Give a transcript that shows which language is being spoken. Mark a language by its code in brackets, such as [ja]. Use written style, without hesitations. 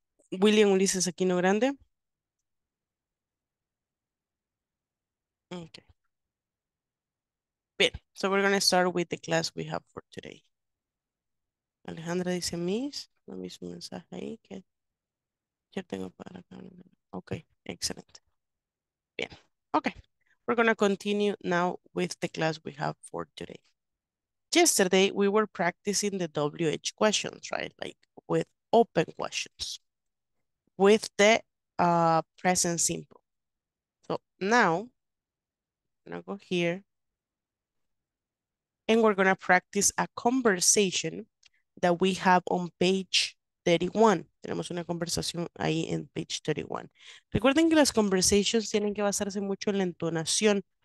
[en] William Ulises Aquino Grande. Okay. Bien, so we're going to start with the class we have for today. [es] Alejandra dice, Miss, no me hizo un mensaje ahí que ya tengo para acá. Okay, excelente. Bien, okay. [en] We're going to continue now with the class we have for today. Yesterday, we were practicing the WH questions, right? Like with open questions. With the present simple. So now, I'm going to go here. And we're going to practice a conversation that we have on page 31. [es] Tenemos una conversación ahí en [en] page 31. [es] Recuerden que las conversations tienen que basarse mucho en la entonación.